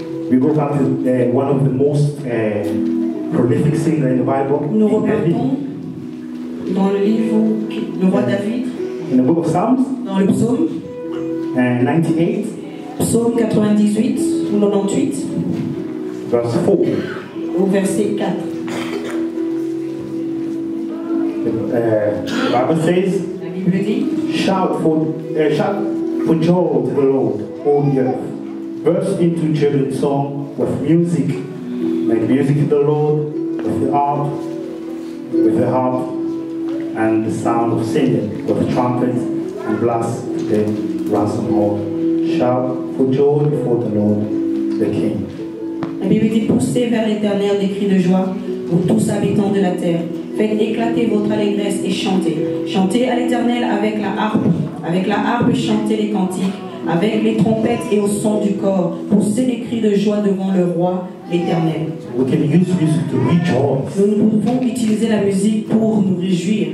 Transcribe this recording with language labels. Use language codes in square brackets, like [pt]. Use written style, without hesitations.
[en] We go back to one of the most prolific singers in the Bible. [fr] Nous repartons dans le livre du roi David. [en] In the book of Psalms. [fr] Dans le psaume. [en] 98. [fr] Psaume 98 ou 98. [en] Verse 4. [fr] Au verset 4. [en] The Bible says. [fr] La Bible dit. [en] Shout for joy to the Lord, all the earth. Burst into jubilant song with music. Make music to the Lord with the harp, and the sound of singing, with trumpets, and blast the ransom horn. Shout for joy before the Lord, the King. [fr] La Bible dit, poussez vers l'Éternel des cris de joie, pour tous habitants de la terre. Faites éclater votre allégresse et chantez. Chantez à l'Éternel avec la harpe. Avec la harpe, chantez les cantiques. Avec les trompettes et au son du cor, poussez les cris de joie devant le roi, l'Éternel. [en] We can use music to rejoice. [fr] Nous pouvons utiliser la musique pour nous réjouir.